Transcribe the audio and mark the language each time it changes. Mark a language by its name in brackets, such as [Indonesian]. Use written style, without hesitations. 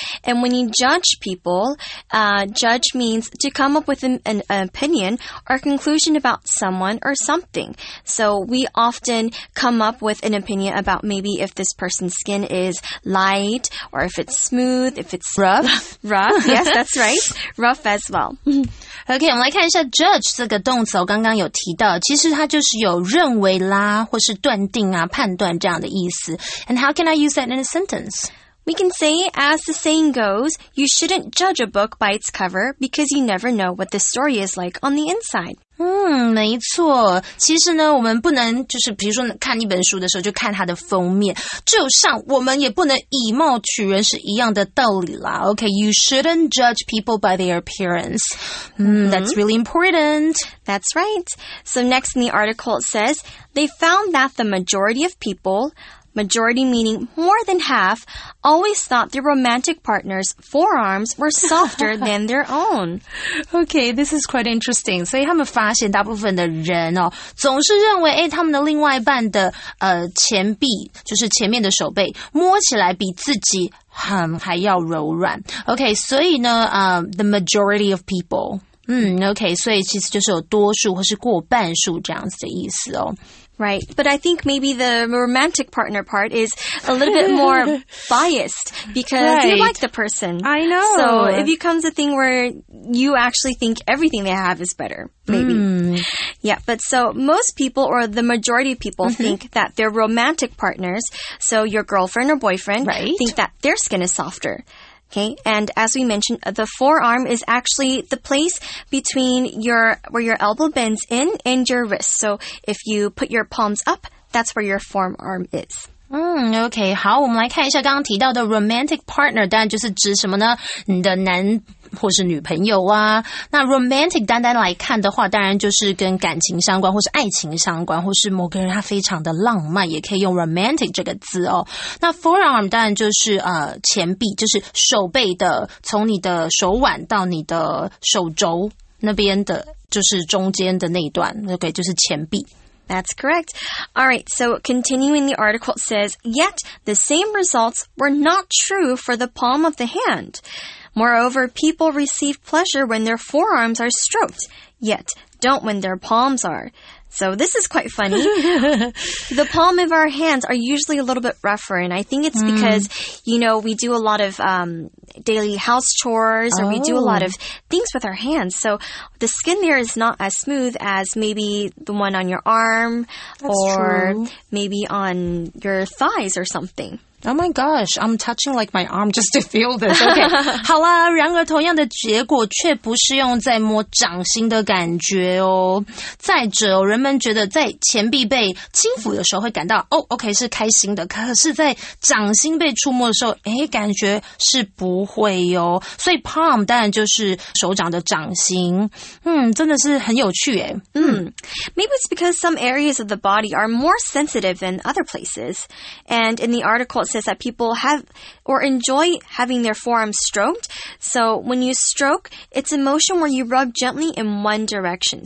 [English] And when you judge people, judge means to come up with an opinion or conclusion about someone or something. So we often come up with an opinion about maybe if this person's skin is light or if it's smooth, if it's rough. Rough, yes, that's right. Rough as well. [Chinese] OK, 我们来看一下 judge 这个动词，我刚刚有提到，其实它就是有认为啦，或是断定啊，判断这样的意思。 [English] And how can I use that in a sentence? We can say, as the saying goes, you shouldn't judge a book by its cover because you never know what the story is like on the inside. [Chinese] 没错。其实呢，我们不能就是比如说看一本书的时候就看它的封面，就像我们也不能以貌取人是一样的道理啦。 [English] OK, you shouldn't judge people by their appearance. That's really important. That's right. So next in the article it says, they found that the majority of people... Majority meaning more than half, always thought their romantic partner's forearms were softer than their own. Okay, this is quite interesting. [Chinese] 所以他们发现大部分的人哦，总是认为哎，他们的另外一半的前臂，就是前面的手背，摸起来比自己还要柔软。 [English] Okay, [Chinese] 所以呢， [English] the majority of people. [Chinese] Okay, 所以其实就是有多数或是过半数这样子的意思哦。 [English] Right, but I think maybe the romantic partner part is a little bit more biased because you like the person. I know. So it becomes a thing where you actually think everything they have is better, maybe. Yeah, but so most people or the majority of people think that their romantic partners, so your girlfriend or boyfriend, think that their skin is softer. Okay, and as we mentioned, the forearm is actually the place between where your elbow bends in and your wrist. So if you put your palms up, that's where your forearm is. [Chinese] Okay, 好，我们来看一下刚刚提到的 romantic partner, 当然就是指什么呢？你的男或是女朋友啊。那 romantic 单单来看的话，当然就是跟感情相关，或是爱情相关，或是某个人他非常的浪漫，也可以用 romantic 这个字哦。那 forearm 当然就是前臂，就是手背的，从你的手腕到你的手肘那边的，就是中间的那一段 ，OK， 就是前臂。 [English] That's correct. All right, so continuing the article says, yet the same results were not true for the palm of the hand. Moreover, people receive pleasure when their forearms are stroked, yet don't when their palms are. So this is quite funny. The palm of our hands are usually a little bit rougher, and I think it's because, you know, we do a lot of daily house chores, or we do a lot of things with our hands. So the skin there is not as smooth as maybe the one on your arm maybe on your thighs or something. Oh my gosh, I'm touching like my arm just to feel this. Okay. [Chinese] 好啦，然而同样的结果却不适用在摸掌心的感觉哦。再者哦，人们觉得在前臂被轻抚的时候会感到okay, 是开心的，可是在掌心被触摸的时候感觉是不会哦。所以 palm 当然就是手掌的掌心。真的是很有趣耶。 [English] Maybe it's because some areas of the body are more sensitive than other places. And in the article,It says that people have or enjoy having their forearms stroked. So when you stroke, it's a motion where you rub gently in one direction.